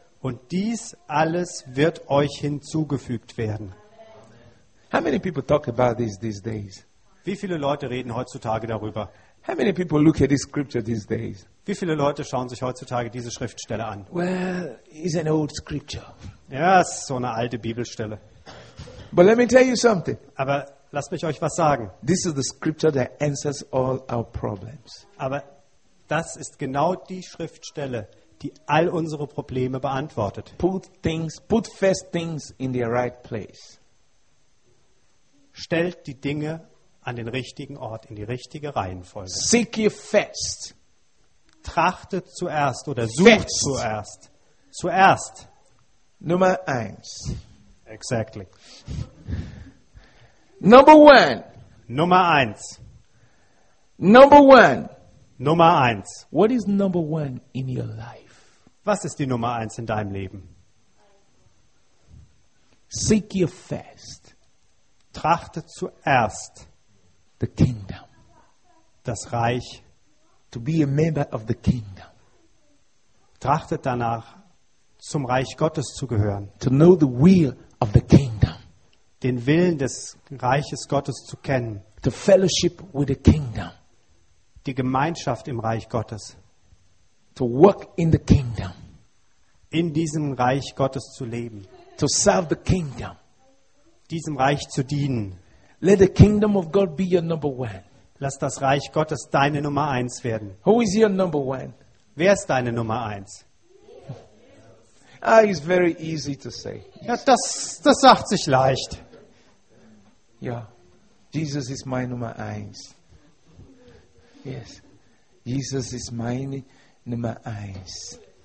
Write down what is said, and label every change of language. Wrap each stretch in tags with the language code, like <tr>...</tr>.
<de>Und dies alles wird euch hinzugefügt werden.</de> <en>How many people talk about this these days?</en> <de>Wie viele Leute reden heutzutage darüber?</de> <en>How many people look at this scripture these days?</en> <de>Wie viele Leute schauen sich heutzutage diese Schriftstelle an?</de> <en>Well, it's an old scripture.</en> <de>Ja, es ist so eine alte Bibelstelle.</de> <en>But let me tell you something.</en> <de>Aber lasst mich euch was sagen.</de> <en>This is the scripture that answers all our problems.</en> <de>Aber das ist genau die Schriftstelle, die all unsere Probleme beantwortet.</de> <en>Put first things in the right place.</en> <de>Stellt die Dinge an den richtigen Ort, in die richtige Reihenfolge.</de> <en>Seek ye first.</en> <de>Trachtet zuerst oder sucht zuerst. Zuerst. Nummer 1.</de> <en>Exactly. Number one.</en> <de>Nummer eins.</de> <en>Number one.</en> <de>Nummer eins.</de> <en>What is number one in your life?</en> <de>Was ist die Nummer eins in deinem Leben?</de> <en>Seek ye first.</en> <de>Trachte zuerst.</de> <en>The kingdom.</en> <de>Das Reich.</de> <en>To be a member of the kingdom.</en> <de>Trachte danach, zum Reich Gottes zu gehören.</de> <en>To know the will of the kingdom.</en> <de>Den Willen des Reiches Gottes zu kennen.</de> <en>The fellowship with the kingdom.</en> <de>Die Gemeinschaft im Reich Gottes.</de> <en>To work in the kingdom.</en> <de>In diesem Reich Gottes zu leben.</de> <en>To serve the kingdom.</en> <de>Diesem Reich zu dienen.</de> <en>Let the kingdom of God be your number one.</en> <de>Lass das Reich Gottes deine Nummer eins werden.</de> <en>Who is your number one?</en> <de>Wer ist deine Nummer eins?</de> <en>Ah, it's very easy to say.</en> <de>Ja, das sagt sich leicht. Ja, Jesus ist meine Nummer eins. Yes, Jesus ist meine Nummer eins.</de>